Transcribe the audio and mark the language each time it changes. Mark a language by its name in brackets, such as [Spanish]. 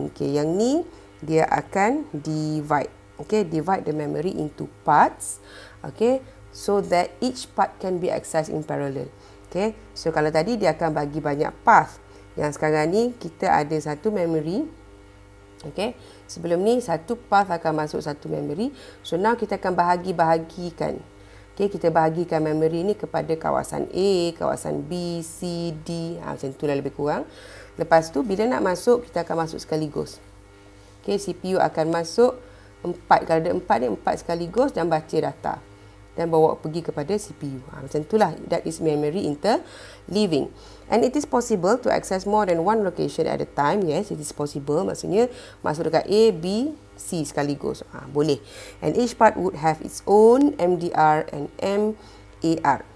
[Malay] Okay, yang ni dia akan divide. [English] Okay, divide the memory into parts. Okay, so that each part can be accessed in parallel. [Malay] Okay, so kalau tadi dia akan bagi banyak path. Yang sekarang ni kita ada satu memory. Okay, sebelum ni satu path akan masuk satu memory. [English] So now [Malay] kita akan bahagikan. Okay, kita bahagikan memory ni kepada kawasan A, kawasan B, C, D. Ha, macam tu lah lebih kurang. Lepas tu bila nak masuk, kita akan masuk sekaligus. Okay, CPU akan masuk 4. Kalau ada 4 ni, 4 sekaligus dan baca data. Dan bawa pergi kepada CPU. Ha, macam itulah. [English] That is memory interleaving. And it is possible to access more than one location at a time. Yes, it is possible. [Malay] Maksudnya, masuk dekat A, B, C sekaligus. Ha, boleh. [English] And each part would have its own MDR and MAR.